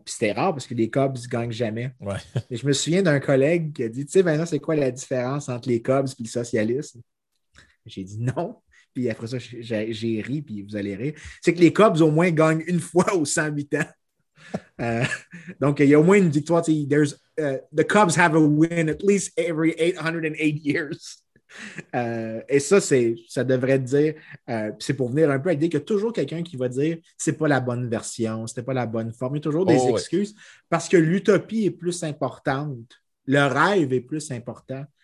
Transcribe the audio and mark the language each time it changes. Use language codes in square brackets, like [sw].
[fr] Puis c'était rare parce que les Cubs ne gagnent jamais. Ouais. Mais je me souviens d'un collègue qui a dit: Tu sais, maintenant, c'est quoi la différence entre les Cubs et le socialisme? J'ai dit non. Puis après ça, j'ai ri, puis vous allez rire. C'est que les Cubs, au moins, gagnent une fois aux 108 ans. Donc, il y a au moins une victoire. [en] The Cubs have a win at least every 808 years. [fr] Et ça, ça devrait dire, c'est pour venir un peu à l'idée qu'il y a toujours quelqu'un qui va dire c'est pas la bonne version, c'était pas la bonne forme. Il y a toujours des Oh oui. excuses parce que l'utopie est plus importante, le rêve est plus important.